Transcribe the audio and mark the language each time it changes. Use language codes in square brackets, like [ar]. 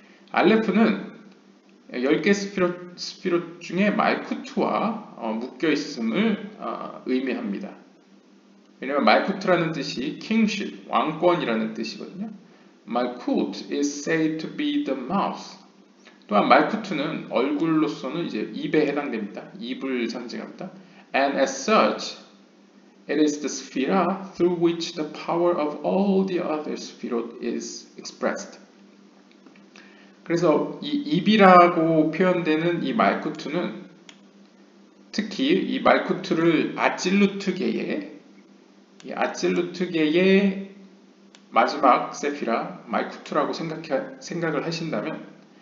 [ko] 알레프는 10개 스피로 중에 말쿠트와 묶여 있음을 의미합니다. 왜냐하면 말쿠트라는 뜻이 kingship, 왕권이라는 뜻이거든요. [en] Malkut is said to be the mouth. [ko] 또한 말쿠트는 얼굴로서는 이제 입에 해당됩니다. 입을 상징합니다. [en] And as such, it is the sphera through which the power of all the other spherot is expressed. [ko] 그래서 이 입이라고 표현되는 이 말쿠트는 특히 이 말쿠트를 아찔루트계의 마지막 세피라 말쿠트라고 생각을 하신다면.